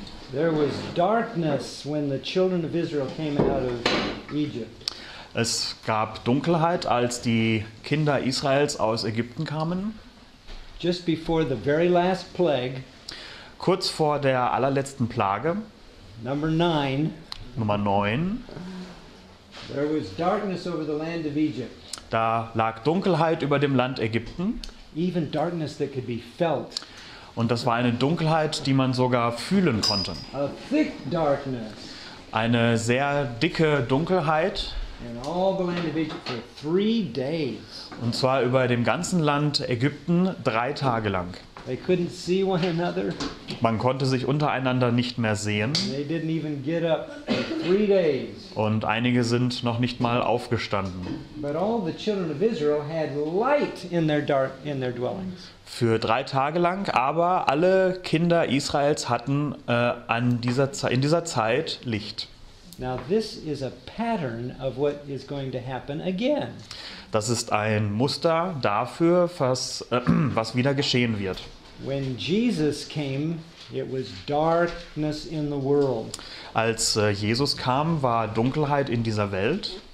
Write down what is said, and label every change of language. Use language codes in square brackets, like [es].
[en] There was darkness when the children of Israel came out of Egypt. [de] Es gab Dunkelheit, als die Kinder Israels aus Ägypten kamen. [en] Just before the very last plague. [de] Kurz vor der allerletzten Plage. [en] Number 9. [de] Nummer 9. [en] There was darkness over the land of Egypt. [de] Da lag Dunkelheit über dem Land Ägypten. [en] Even darkness that could be felt. [de] Und das war eine Dunkelheit, die man sogar fühlen konnte. [en] A thick darkness. [de] Eine sehr dicke Dunkelheit. [en] And all the land of Egypt for 3 days. [de] Und zwar über dem ganzen Land Ägypten 3 Tage lang. [en] They couldn't see one another. [de] Man konnte sich untereinander nicht mehr sehen. [en] They didn't even get up for 3 days. [de] Und einige sind noch nicht mal aufgestanden. [en] But all the children of Israel had light in their dark in their dwellings. [de] Für 3 Tage lang, aber alle Kinder Israels hatten in dieser Zeit Licht. [en] Now this is a pattern of what is going to happen again. [de] Das ist ein Muster dafür, was wieder geschehen wird. [en] When Jesus came, it was darkness in the world. [de] Als Jesus kam, war Dunkelheit in dieser Welt.